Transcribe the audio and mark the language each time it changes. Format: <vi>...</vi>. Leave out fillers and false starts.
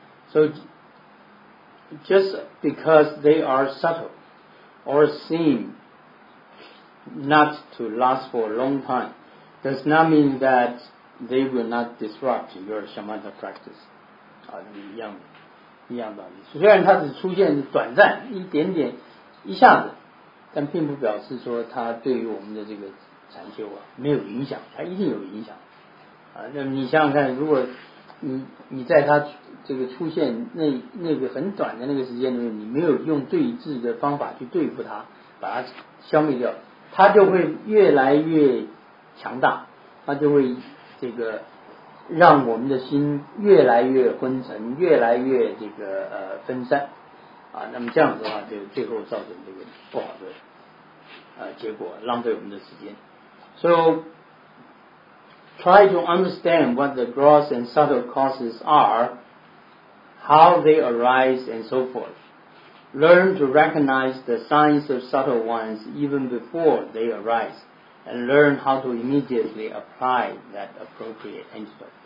<en>So just because they are subtle or seem not to last for a long time does not mean that they will not disrupt your shamatha practice.</en> <zh>啊，一样道理。虽然它只出现短暂一点点一下子，但并不表示说它对于我们的这个禅修啊没有影响，它一定有影响啊。那么你想想看，如果你在它这个出现那个很短的那个时间里面，你没有用对治的方法去对付它，把它消灭掉，它就会越来越强大，它就会这个让我们的心越来越昏沉，越来越这个分散。啊，那么这样子的话，就最后造成这个不好的结果，浪费我们的时间。</zh> <en>So try to understand what the gross and subtle causes are, how they arise, and so forth. Learn to recognize the signs of subtle ones even before they arise, and learn how to immediately apply that appropriate antidote.</en>